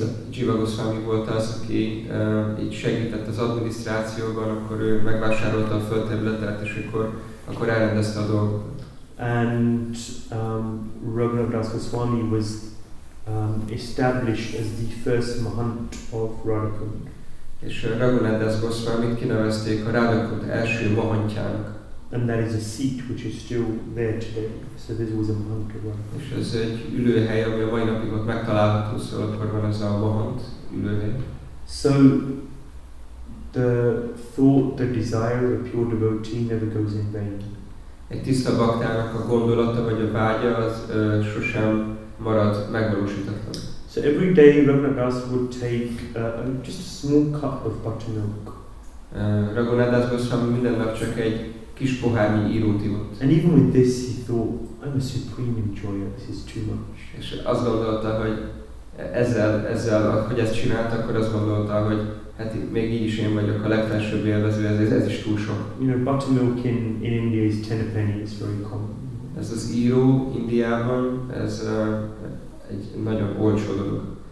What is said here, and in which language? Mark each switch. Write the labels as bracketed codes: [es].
[hu] Jiva Goswami volt az, aki így segített az adminisztrációban, akkor ő megvásárolta a földterületet, és akkor elrendezte a dolgokat. [en] And Raghunath Das Goswami was established as the first Mahant of Radhakund. [hu] És Raghunath Das Goswamit kinevezték a Radhakund első Mahantjának. [en] And that is a seat which is still there today. So this was a Mahant of Radhakund. [hu] És ez egy ülőhely, ami a mai napig ott megtalálható, szóval akkor van ez a Mahant ülőhely. [en] So the thought, the desire of a pure devotee never goes in vain. [hu] Egy tiszta baktának a gondolata vagy a vágya az sosem marad megvalósítatlan. [en] So every day Raghunath Das would take just a small cup of buttermilk. [hu] Raghunath Das Goswami minden nap csak egy kis pohárnyi írót ivott. [en] And even with this he thought, I'm a supreme enjoyer, this is too much. [hu] És azt gondolta, hogy ezzel, hogy ezt csinált, akkor azt gondolta, hogy hát még így is én vagyok a legfelsőbb élvező, ez is túl sok. [en] You know, buttermilk in India is 10 a penny, it's very common. [hu] Ez az író Indiában, ez egy nagyon olcsó dolog.